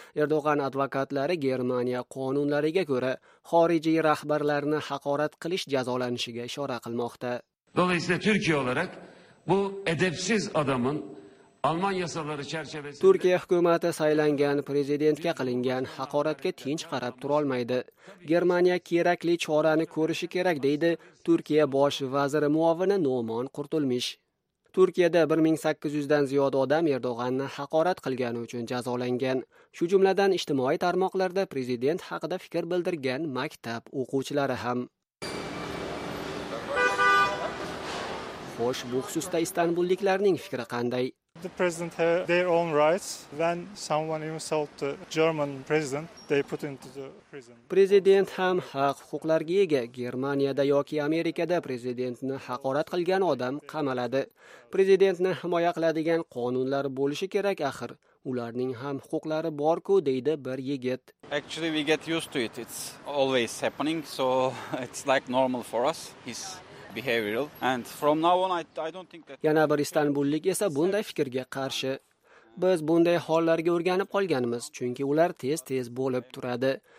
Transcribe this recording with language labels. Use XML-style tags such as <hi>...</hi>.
<uz>Erdo'g'on advokatlari Germaniya qonunlariga ko'ra, xorijiy rahbarlarni haqorat qilish jazolanishiga ishora qilmoqda.</uz> <tr>Dolayısıyla Türkiye olarak bu edepsiz adamın Alman yasaları çerçevesinde</tr> <uz>Turkiya hukumati saylangan prezidentga qilingan haqoratga tinch qarab tura olmaydi. Germaniya kerakli chorani ko'rishi kerak deydi Turkiya bosh vaziri muovini Nomon Qurtulmish. Turkiyada 1800 dan ziyod odam Erdo'g'onni haqorat qilgani uchun jazolangan. Shu jumladan ijtimoiy tarmoqlarda prezident haqida fikr bildirgan maktab o'quvchilari ham. Xo'sh, bu xususda Istanbulliklarning fikri qanday?</uz> <en>The president have their own rights. When someone insults the German president, they put into the prison.</en> <uz>Prezident ham haq-huquqlarga ega. Germaniyada yoki Amerikada prezidentni haqorat qilgan odam qamaladi. Prezidentni himoya qiladigan qonunlar bo'lishi kerak axir. Ularning ham huquqlari bor-ku, deydi bir yigit.</uz> <en>Actually we get used to it. It's always happening, so it's like normal for us. He's behavioral and from now on I don't think that</en> <uz>Yana bir Istanbullik esa bunday fikrga qarshi. Biz bunday hollarga o'rganib qolganmiz, chunki ular tez-tez bo'lib turadi.</uz>